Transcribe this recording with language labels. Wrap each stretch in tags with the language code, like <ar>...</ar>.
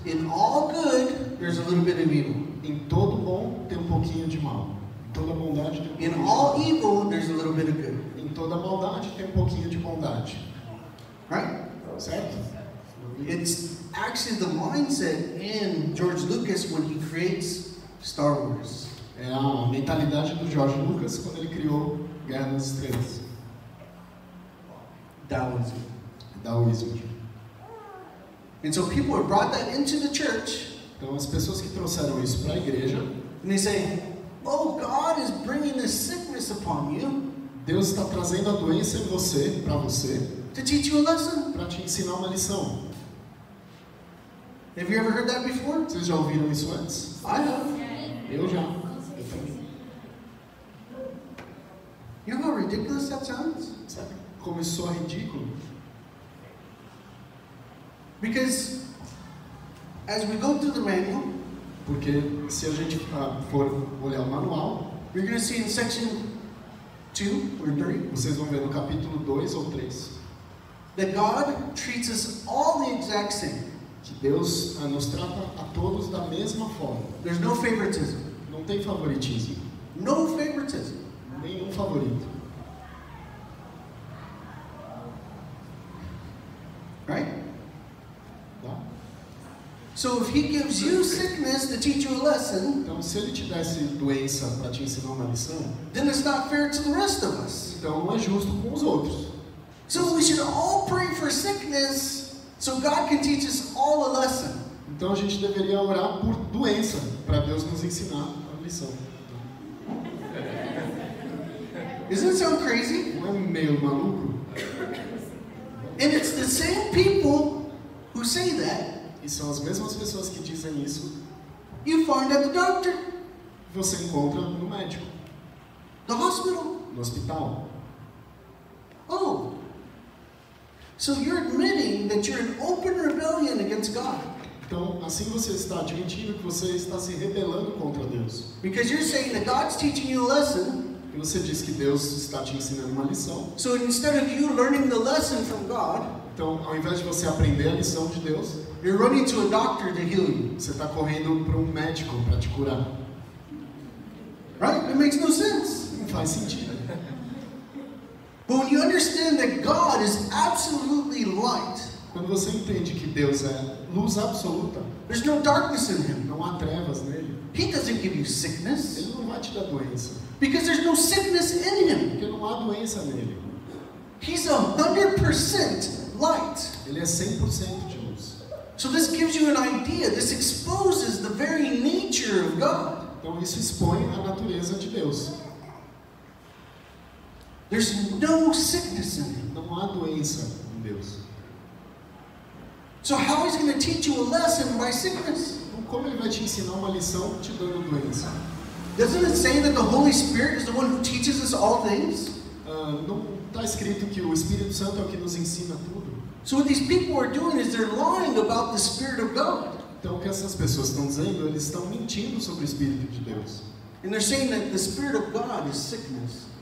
<en>In all good, there's a little bit of evil.</en> <pt>Em todo bom, tem um pouquinho de mal. Toda bondade tem</pt> <en>in all evil, there's a little bit of good.</en> <pt>Em toda maldade tem um pouquinho de bondade.</pt> <en>Right?</en> <pt>Certo?</pt> <en>It's actually the mindset in George Lucas when he creates Star Wars.</en> <pt>É a mentalidade do George Lucas quando ele criou Guerra nas Estrelas.</pt> <en>Taoism. And so people have brought that into the church.</en> <pt>Então as pessoas que trouxeram isso para a igreja,</pt> <en>and they say, oh, God is bringing this sickness upon you.</en> <pt>Deus está trazendo a doença em você, para você.</pt> <en>To teach you a lesson.</en> <pt>Para te ensinar uma lição.</pt> <en>Have you ever heard that before?</en> <pt>Vocês já ouviram isso antes?</pt> <en>I have.</en> <pt>Eu já.</pt> <en>You know how ridiculous that sounds?</en> <pt>Sabe como isso soa ridículo?</pt> <en>Because as we go through the manual,</en> <pt>porque se a gente for olhar o manual,</pt> <en>you're going to see in section 2 or 3,</en> <pt>vocês vão ver no capítulo 2 ou 3,</pt> <en>that God treats us all the exact same.</en> <pt>Que Deus nos trata a todos da mesma forma.</pt> <en>There's no favoritism.</en> <pt>Não tem favoritismo.</pt> <en>No favoritism.</en> <pt>Nenhum favorito.</pt> <en>Right? So if he gives you sickness to teach you a lesson,</en> <pt>então se ele te desse doença para te ensinar uma lição,</pt> <en>then it's not fair to the rest of us.</en> <pt>Então não é justo com os outros.</pt> <en>So we should all pray for sickness so God can teach us all a lesson.</en> <pt>Então a gente deveria orar por doença para Deus nos ensinar a lição.</pt> <en>Isn't that so crazy?</en> <pt>Não é meio maluco?</pt> <en>And it's the same people who say that.</en> <pt>E são as mesmas pessoas que dizem isso.</pt> <en>You find at the doctor.</en> <pt>Você encontra no médico.</pt> <en>The hospital.</en> <pt>No hospital. Oh.</pt> <en>So you're admitting that you're in open rebellion against God.</en> <pt>Então, assim você está admitindo que você está se rebelando contra Deus.</pt> <en>Because you're saying that God's teaching you a lesson.</en> <pt>E você diz que Deus está te ensinando uma lição.</pt> <en>So instead of you learning the lesson from God.</en> <pt>Então, ao invés de você aprender a lição de Deus,</pt> <en>you're running to a doctor to heal you.</en> <pt>Você está correndo para médico para te curar.</pt> <en>Right? It makes no sense.</en> <pt>Não faz sentido.</pt> <en>But when you understand that God is absolutely light,</en> <pt>quando você entende que Deus é luz absoluta,</pt> <en>there's no darkness in him.</en> <pt>Não há trevas nele.</pt> <en>He doesn't give you sickness.</en> <pt>Ele não vai te dar doença.</pt> <en>Because there's no sickness in him.</en> <pt>Porque não há doença nele.</pt> <en>He's 100% light.</en> <pt>Ele é 100% de luz.</pt> <en>So this gives you an idea. This exposes the very nature of God.</en> <pt>Então isso expõe a natureza de Deus.</pt> <en>There's no sickness in him.</en> <pt>Não há doença em Deus.</pt> <en>So how is he going to teach you a lesson by sickness?</en> <pt>Como ele vai te ensinar uma lição te dando doença?</pt> <en>Doesn't it say that the Holy Spirit is the one who teaches us all things?</en> <pt>Não está escrito que o Espírito Santo é o que nos ensina tudo?</pt> <en>So what these people are doing is they're lying about the Spirit of God.</en> <pt>Então o que essas pessoas estão dizendo? Eles estão mentindo sobre o Espírito de Deus.</pt> <en>And they're saying that the Spirit of God is sickness.</en>